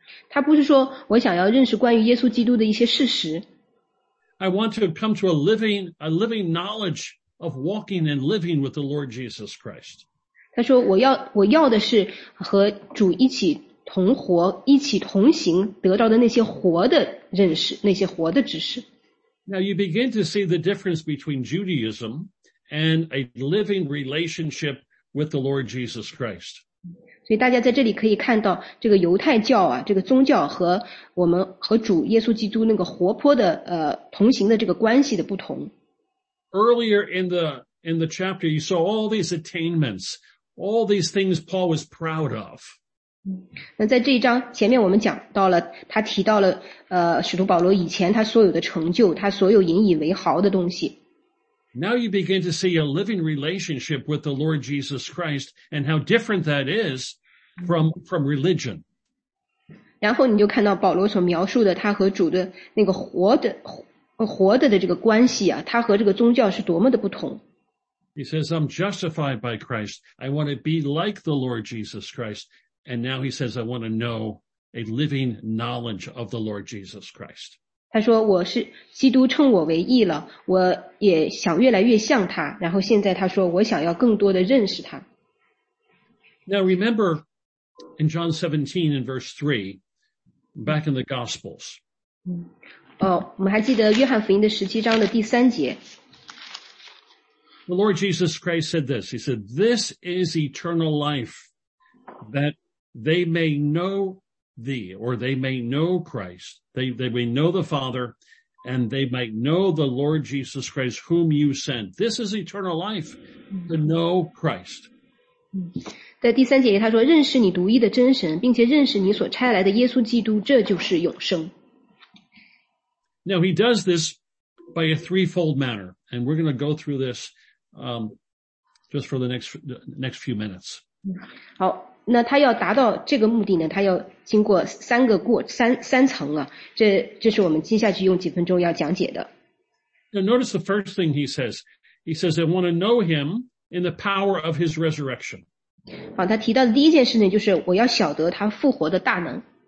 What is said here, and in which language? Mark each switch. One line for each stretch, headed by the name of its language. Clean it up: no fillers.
Chinese: 他不是说我想要认识关于耶稣基督的一些事实。
English: I want to come to a living knowledge. Of walking and living with the Lord Jesus Christ.
Chinese: 他说我要的是和主一起同活，一起同行，得到的那些活的认识，那些活的知识。
English: Now you begin to see the difference between Judaism and a living relationship with the Lord Jesus Christ.
Chinese: 所以大家在这里可以看到这个犹太教啊，这个宗教和我们和主耶稣基督那个活泼的同行的这个关系的不同。
English: Earlier in the chapter, you saw all these attainments, all these things Paul was proud of.
Chinese: 那在这一章前面我们讲到了，他提到了使徒保罗以前他所有的成就，他所有引以为豪的东西。
English: Now you begin to see a living relationship with the Lord Jesus Christ and how different that is from religion.
Chinese: 然后你就看到保罗所描述的他和主的那个活的的这个关系啊，他和这个宗教是多么的不同。
English: He says, I'm justified by Christ. I want to be like the Lord Jesus Christ. And now he says, I want to know a living knowledge of the Lord Jesus Christ.
Chinese: 他说我是基督称我为义了，我也想越来越像他，然后现在他说我想要更多的认识他。
English: Now remember in John 17 in verse 3, back in the Gospels.
Chinese: 我们还记得约翰福音的17章的第三节。
English: The Lord Jesus Christ said this. He said, this is eternal life, that they may know thee, or they may know Christ. They may know the Father, and they might know the Lord Jesus Christ, whom you sent. This is eternal life, to know Christ.
Chinese: 在第三节里他说，认识你独一的真神，并且认识你所差来的耶稣基督，这就是永生。
English: Now he does this by a threefold manner, and we're going to go through this just for the next few minutes.
Chinese: 好，那他要达到这个目的呢，他要经过三层啊，这是我们接下去用几分钟要讲解的。
English: Now notice the first thing he says. He says, I want to know him in the power of his resurrection.
Chinese: 好，他提到的第一件事情就是我要晓得他复活的大能。